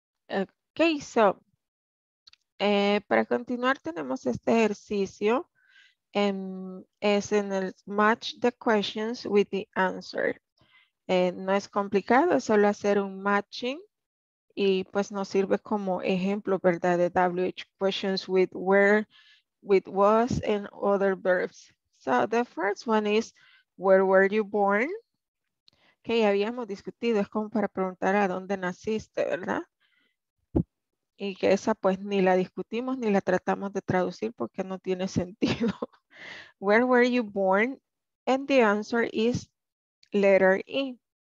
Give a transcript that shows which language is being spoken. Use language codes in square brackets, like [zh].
[en] Okay, so [es] para continuar tenemos este ejercicio, es en el [en] match the questions with the answer. [es] No es complicado, es solo hacer un matching y pues nos sirve como ejemplo, ¿verdad? [en] De WH questions with where, with was and other verbs. So the first one is, where were you born? [es] que ya habíamos discutido, es como para preguntar a dónde naciste, ¿verdad? Y que esa pues ni la discutimos ni la tratamos de traducir porque no tiene sentido. [en] Where were you born? And the answer is letter E.